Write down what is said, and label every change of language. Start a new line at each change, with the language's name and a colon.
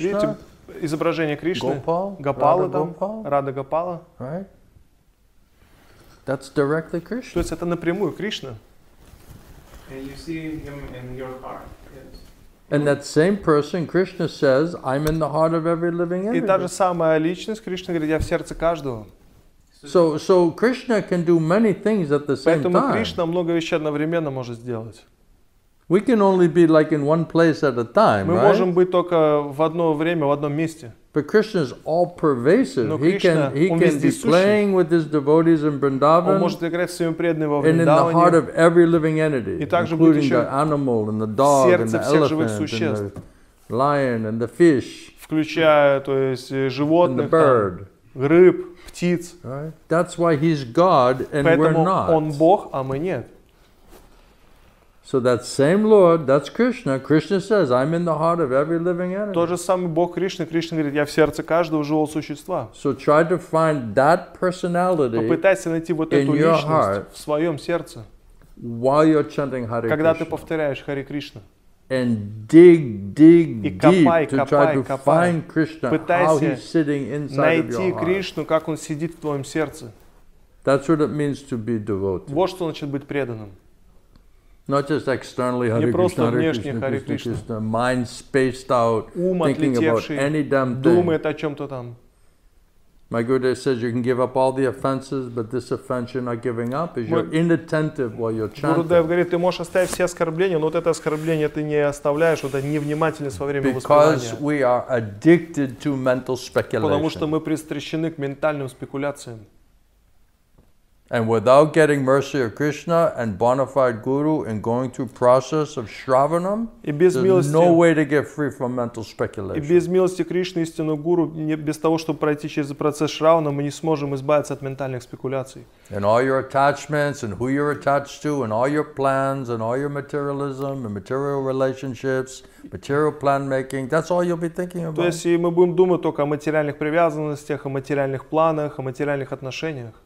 Russian: Видите изображение Кришны?
English: Gopal.
Russian: Гопала там. Рада Гопала.
English: Right. That's directly Krishna.
Russian: То есть это напрямую Кришна.
English: And you see him in your heart. And that same person, Krishna says, I'm in the heart of every living entity.
Russian: И та же самая личность, Кришна говорит, я в сердце каждого.
English: So Krishna can do many things at the same
Russian: Поэтому Поэтому Кришна много вещей одновременно может сделать.
English: We can only be like in one place at a time,
Russian: Мы
English: right?
Russian: можем быть только в одно время, в одном месте.
English: But Krishna is all pervasive.
Russian: Но
English: he can be playing with his devotees in Vrindavan.
Russian: Он может играть со своими преданными во Вриндаване.
English: And in the heart of every living entity,
Russian: и также
English: including
Russian: будет
English: the animal and the dog and the elephant and the lion and the fish.
Russian: Включая, то есть, животных,
English: and the bird.
Russian: Там, рыб, птиц.
English: Right? That's why he's God and
Russian: Поэтому
English: we're not.
Russian: Он Бог, а мы нет.
English: So that same Lord, that's Krishna. Krishna says, "I'm in the heart of every living entity."
Russian: Тот же самый Бог Кришна. Кришна говорит, я в сердце каждого живого существа.
English: So try to find that personality.
Russian: Попытайся найти вот эту личность в своем сердце.
English: While you're chanting Hare Krishna.
Russian: Когда ты повторяешь Харе Кришна.
English: And dig deep to try to
Russian: копай.
English: Find Krishna,
Russian: Пытайся
English: how he's sitting inside of your heart.
Russian: Найти Кришну, как он сидит в твоем сердце.
English: That's what it means to be devoted.
Russian: Вот что значит быть преданным.
English: Not just externally Hare Krishna, Hare Krishna, Hare Krishna, mind spaced out, thinking about any damn thing.
Russian: Думает о чем-то там.
English: My Guru says you can give up all the offenses, but this offense you're not giving up is you're inattentive while you're chanting.
Russian: Guru Dev говорит, ты можешь оставить все оскорбления, но вот это оскорбление ты не оставляешь, вот это невнимательность во время
English: Because
Russian: воспевания.
English: Because we are addicted to mental speculation.
Russian: Потому что мы пристращены к ментальным спекуляциям.
English: And without getting mercy of Krishna and bona fide guru and going through process of shravanam, there's no way to get free from mental speculation.
Russian: И без милости Кришны, истинного гуру, без того, чтобы пройти через процесс шравана, мы не сможем избавиться от ментальных спекуляций.
English: And all your attachments and who you're attached to and all your plans and all your materialism and material relationships, material plan making, that's all you'll be thinking about.
Russian: То есть мы будем думать только о материальных привязанностях, о материальных планах, о материальных отношениях.